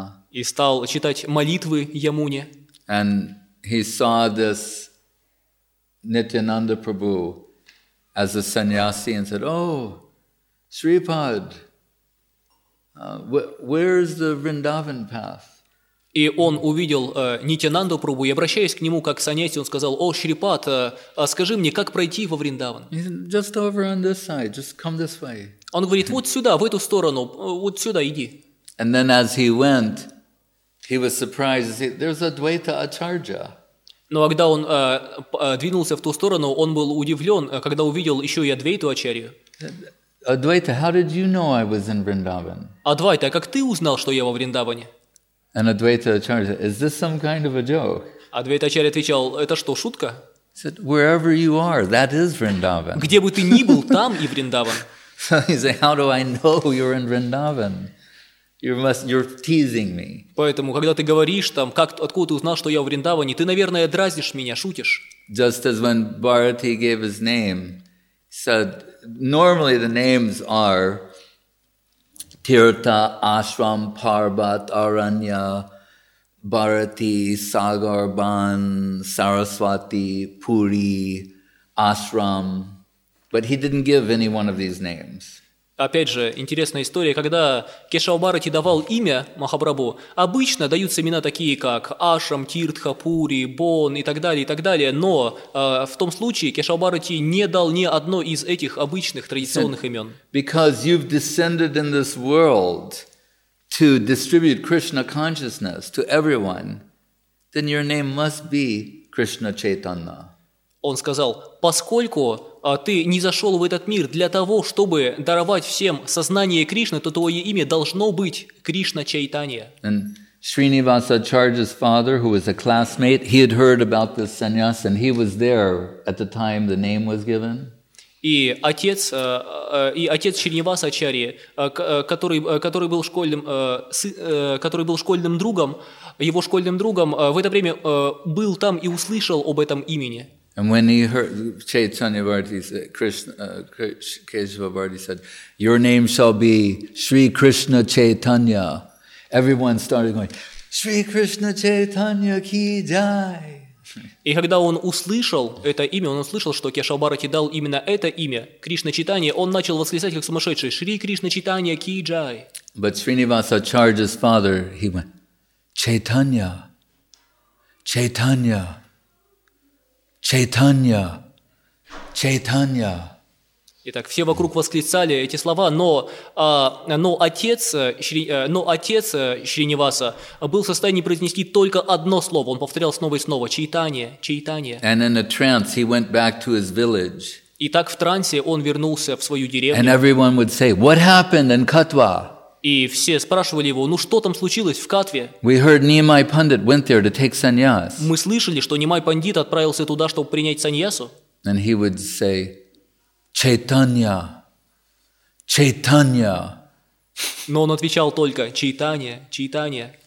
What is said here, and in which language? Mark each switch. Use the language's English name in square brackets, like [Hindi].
[Russian] И стал читать молитвы Ямуне. [English] And he saw this Nityananda Prabhu as a sannyasi and said, oh, Sripad, where is the Vrindavan path? [Russian] И он увидел Нитянанду Прабху, и, обращаясь к нему как к саньяси, он сказал, «О, Шрипад, скажи мне, как пройти во Вриндаван?» [English] just over on this side. Just come this way. [Russian] Он говорит, «Вот сюда, в эту сторону, вот сюда иди». [English] And then as he went, he was surprised to see, there's a Dvaita Acharya. [Russian] Но когда он двинулся в ту сторону, он был удивлен, когда увидел еще и Адвейту Ачарью. [English] Advaita, how did you know I was in Vrindavan? [Russian] Адвайта, как ты узнал, что я во Вриндаване? [English] And Advaita Acharya said, "Is this some kind of a joke?" [Russian] Advaita Acharya отвечал, "Это что, шутка?" [English] He said, "Wherever you are, that is Vrindavan." [Russian] Где бы ты ни был, там и Вриндаван. [English] So he said, "How do I know you're in Vrindavan? You're teasing me." [Russian] Поэтому, когда ты говоришь там, как откуда ты узнал, что я в Вриндаване, ты, наверное, дразнишь меня, шутишь. [English] Just as when Bharati gave his name, said, normally the names are. Tirtha, Ashram, Parbat, Aranya, Bharati, Sagar, Ban, Saraswati, Puri, Ashram. But he didn't give any one of these names. [Russian] Опять же, интересная история, когда Кешава Бхарати давал имя Махапрабху, обычно даются имена такие, как Ашрам, Тиртха, Пури, Бон и так далее, но в том случае Кешава Бхарати не дал ни одно из этих обычных традиционных имен. [English] Because you've descended in this world to distribute Krishna consciousness to everyone, then your name must be Krishna Chaitanya. [Russian] Он сказал, поскольку ты не зашел в этот мир для того, чтобы даровать всем сознание Кришны, то твое имя должно быть Кришна Чайтанья. [English] And Srinivasa Acharya's father, who was a classmate, he had heard about this sannyas, and he was there at the time the name was given. [Russian] И отец Шринивас Ачарьи, который был его школьным другом, в это время был там и услышал об этом имени. [English] And when he heard Chaitanya Bharati said, Keshava Bharati said, your name shall be Sri Krishna Chaitanya. Everyone started going, Sri Krishna Chaitanya ki jai. [Russian] И когда он услышал это имя, он услышал, что Кешава Бхарати дал именно это имя, Кришна Чайтанья, он начал восклицать, как сумасшедший, Шри Кришна Чайтанья ки джай. [English] But Srinivasa Acharya's father, he went, Chaitanya, Chaitanya. Chaitanya, Chaitanya. [Russian] Итак, все вокруг восклицали эти слова, но отец Шриневаса был в состоянии произнести только одно слово. Он повторял снова и снова: Чайтанья, Чайтанья. [English] And in a trance, he went back to his village. [Russian] И так в трансе он вернулся в свою деревню. [English] And everyone would say, "What happened in Katwa?" [Russian] И все спрашивали его, ну что там случилось в Катве? [English] We heard Nimai Pandit went there to take sannyas. [Russian] Мы слышали, что Нимай Пандит отправился туда, чтобы принять саньясу. [English] And he would say, Chaitanya, Chaitanya. [Russian] Но он отвечал только, Чайтанья, Чайтанья.